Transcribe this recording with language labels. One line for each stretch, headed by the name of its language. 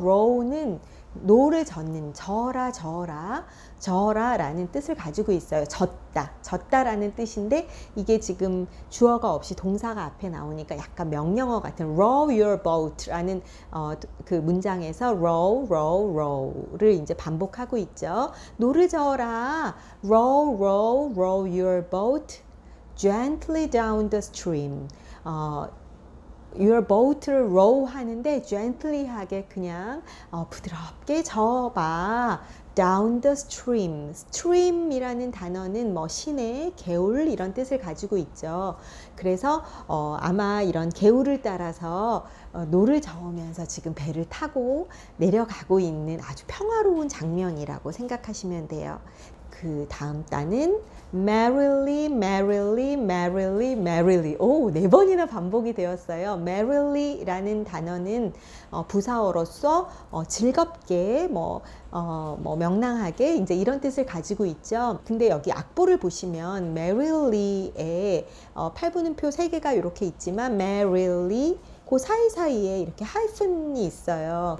Korean: Row는 노를 젓는, 저라, 저라, 저라 라는 뜻을 가지고 있어요. 젓다, 젓다 라는 뜻인데 이게 지금 주어가 없이 동사가 앞에 나오니까 약간 명령어 같은
English: row your boat
Korean: 라는 그 문장에서 row, row, row를 이제 반복하고 있죠. 노를 저어라.
English: Row, row, row your boat gently down the stream.
Korean: Your boat를 row 하는데
English: gently
Korean: 하게 그냥 부드럽게 저어봐.
English: Down the stream.
Korean: Stream이라는 단어는 뭐 시내, 개울 이런 뜻을 가지고 있죠. 그래서 아마 이런 개울을 따라서 노를 저으면서 지금 배를 타고 내려가고 있는 아주 평화로운 장면이라고 생각하시면 돼요.
English: 그 다음 단은 merrily, merrily, merrily, merrily.
Korean: 오, 네 번이나 반복이 되었어요. merrily라는 단어는 부사어로서 즐겁게, 뭐 명랑하게 이제 이런 뜻을 가지고 있죠. 근데 여기 악보를 보시면 merrily에 8분음표 3개가 이렇게 있지만 merrily 그 사이사이에 이렇게 하이픈이 있어요.